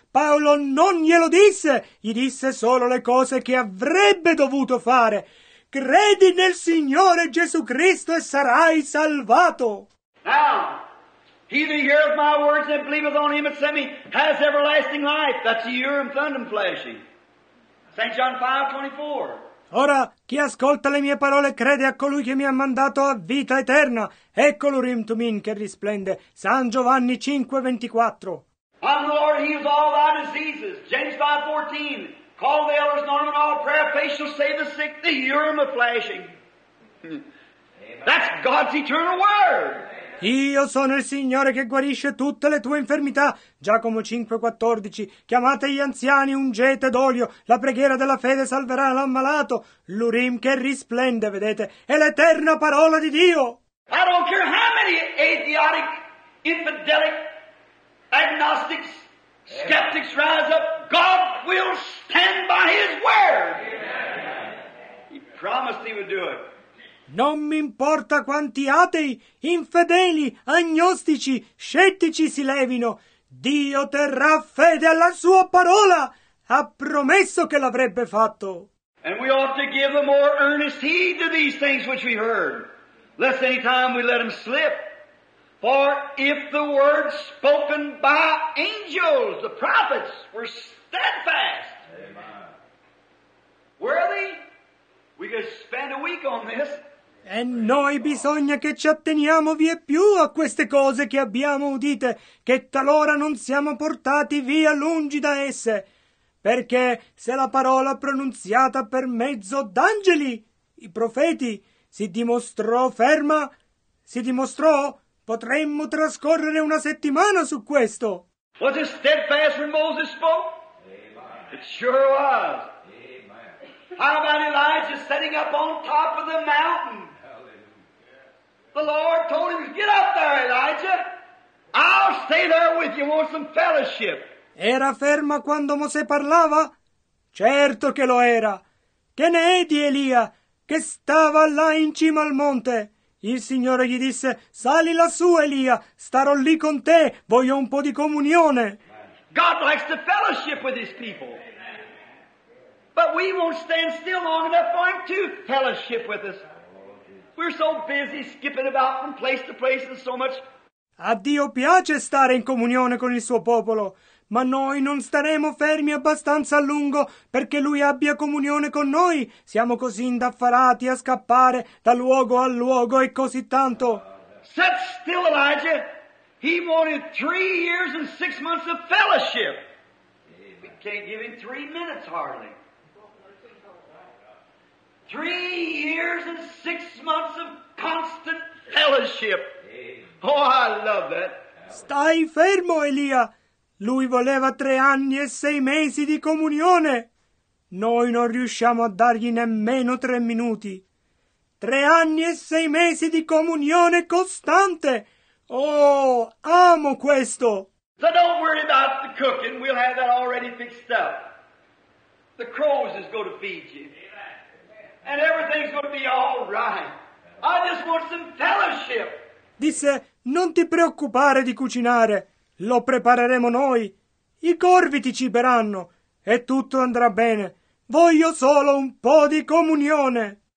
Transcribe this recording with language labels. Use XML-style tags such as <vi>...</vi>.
<it>Paolo non glielo disse, gli disse solo le cose che avrebbe dovuto fare. Credi nel Signore Gesù Cristo e sarai salvato.</it> <en>Now, he that heareth my words and believeth on him that sent me has everlasting life. That's the Urim Thummim flashing. St. John 5:24.</en> <it>Ora, chi ascolta le mie parole crede a colui che mi ha mandato a vita eterna. Ecco l'Urim Tumim che risplende. San Giovanni 5:24.</it> <en>I'm the Lord, heals all thy diseases. James 5:14. Call the elders, not in all prayer, faith shall save the sick, the Urim of flashing. That's God's eternal word.</en> <it>Io sono il Signore che guarisce tutte le tue infermità. Giacomo 5:14. Chiamate gli anziani, ungete d'olio. La preghiera della fede salverà l'ammalato. L'Urim che risplende, vedete, è l'eterna parola di Dio.</it> <en>I don't care how many atheotic, infidelic, agnostics, skeptics rise up. God will stand by His word. Amen. He promised He would do it.</en> <it>Non mi importa quanti atei, infedeli, agnostici, scettici si levino. Dio terrà fede alla sua parola. Ha promesso che l'avrebbe fatto.</it> <en>And we ought to give a more earnest heed to these things which we heard, lest any time we let them slip. For if the words spoken by angels, the prophets, were steadfast. Amen. Were they? We could spend a week on this.</en> <it>E noi bisogna che ci atteniamo vie più a queste cose che abbiamo udite, che talora non siamo portati via lungi da esse. Perché se la parola pronunziata per mezzo d'angeli, i profeti, si dimostrò ferma, si dimostrò, potremmo trascorrere una settimana su questo.</it> <en>Was it steadfast when Moses spoke? Amen. It sure was. Amen. How about Elijah setting up on top of the mountain? The Lord told him, get up there, Elijah. I'll stay there with you. Want some fellowship.</en> <it>Era ferma quando Mosè parlava? Certo che lo era. Che ne è di Elia, che stava là in cima al monte? Il Signore gli disse, sali lassù, Elia. Starò lì con te. Voglio un po' di comunione.</it> <en>God likes to fellowship with his people. But we won't stand still long enough for him to fellowship with us. We're so busy skipping about from place to place and so much.</en> <it>A Dio piace stare in comunione con il suo popolo, ma noi non staremo fermi abbastanza a lungo perché lui abbia comunione con noi. Siamo così indaffarati a scappare da luogo a luogo e così tanto.</it> <en>Sit still, Elijah. He wanted 3 years and 6 months of fellowship. We can't give him 3 minutes hardly. 3 years and 6 months of constant fellowship. Oh, I love that.</en> <it>Stai fermo, Elia. Lui voleva 3 anni e 6 mesi di comunione. Noi non riusciamo a dargli nemmeno 3 minuti. 3 anni e 6 mesi di comunione costante. Oh, amo questo.</it> <en>So don't worry about the cooking. We'll have that already fixed up. The crows is going to feed you. And everything's going to be all right. I just want some fellowship.</en> <it>Disse, non ti preoccupare di cucinare. Lo prepareremo noi. I corvi ti ciberanno. E tutto andrà bene. Voglio solo un po' di comunione.</it>